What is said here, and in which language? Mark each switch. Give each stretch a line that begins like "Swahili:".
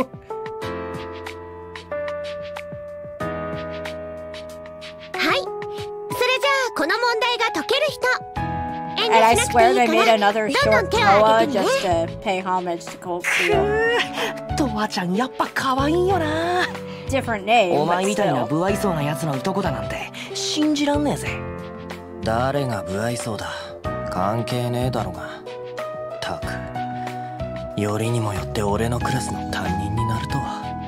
Japanese: それじゃあこの問題が解ける人。
English: And I swear they made another short Toa just to pay homage to Cold Steel.
Japanese: Toa-chan, やっぱ可愛いよな。
English: Different name, but still.
Japanese: お前みたいな不愛想なやつのいとこだなんて信じらんねえぜ。誰が不愛想だ。関係ねえだろうが。たく、よりにもよって俺のクラスの担任になるとは。